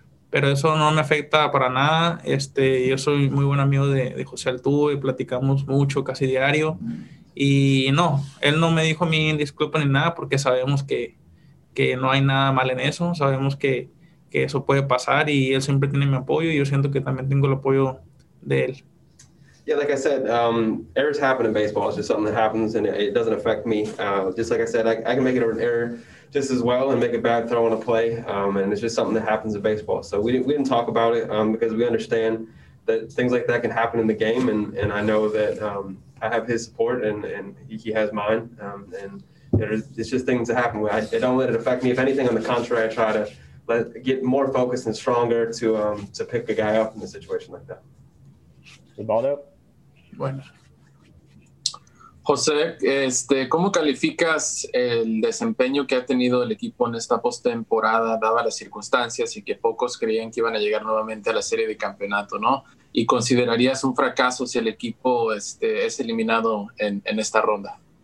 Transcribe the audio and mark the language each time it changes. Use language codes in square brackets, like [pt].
[es] Pero eso no me afecta para nada. Yo soy muy buen amigo de José Altuve y platicamos mucho, casi diario. Y no, él no me dijo a mí disculpa ni nada, porque sabemos que no hay nada mal en eso. Sabemos que eso puede pasar y él siempre tiene mi apoyo y yo siento que también tengo el apoyo de él. [en] Yeah, like I said, errors happen in baseball. It's just something that happens, and it doesn't affect me. Just like I said, I can make it an error just as well and make a bad throw on a play, and it's just something that happens in baseball. So we didn't talk about it because we understand that things like that can happen in the game, and I know that I have his support and he has mine, and it's just things that happen. I don't let it affect me. If anything, on the contrary, I try to get more focused and stronger to pick a guy up in a situation like that. [es] Bueno. José, ¿cómo calificas el desempeño que ha tenido el equipo en esta postemporada, dadas las circunstancias y que pocos creían que iban a llegar nuevamente a la serie de campeonato, ¿no? ¿Y considerarías un fracaso si el equipo es eliminado en esta ronda?